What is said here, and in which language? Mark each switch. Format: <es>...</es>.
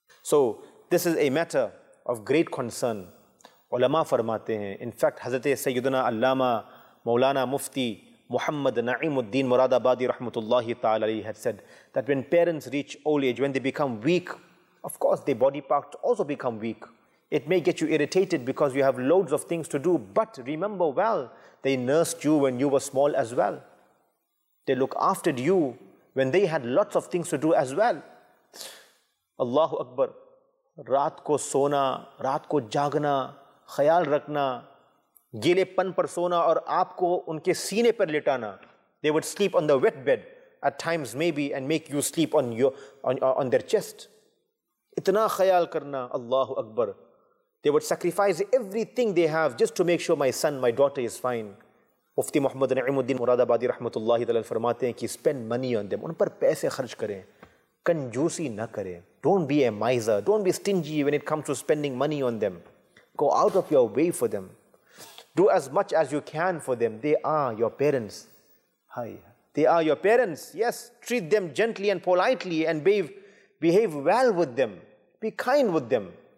<en>so this is a matter of great concern</en> <ur>علماء فرماتے ہیں ان فیکٹ حضرت سیدنا علامہ مولانا مفتی محمد نعیم الدین مراد آبادی رحمۃ اللہ تعالی علیہ</ur> <en>had said that when parents reach old age, when they become weak, of course their body parts also become weak. It may get you irritated because you have loads of things to do, but remember well, they nursed you when you were small as well. They look after you when they had lots of things to do as well.</en> <ar>Allahu Akbar.</ar> <ur>رات کو سونا, رات کو جاگنا, خیال رکھنا, گیلے پن پر سونا اور آپ کو ان کے سینے پر لٹانا.</ur> <en>They would sleep on the wet bed at times maybe and make you sleep on their chest.</en> <ur>اتنا خیال کرنا, اللہ اکبر.</ur> <en>They would sacrifice everything they have just to make sure my son, my daughter is fine.</en> <ur>مفتی محمد نعیم الدین مراد آبادی رحمۃ اللہ تعالی فرماتے ہیں کہ</ur> <en>spend money on them,</en> <ur>ان پر پیسے خرچ کریں, کنجوسی نہ کریں.</ur> <en>Don't be a miser, don't be stingy when it comes to spending money on them. Go out of your way for them. Do as much as you can for them. They are your parents. They are your parents. Yes, treat them gently and politely and behave well with them. Be kind with them.</en>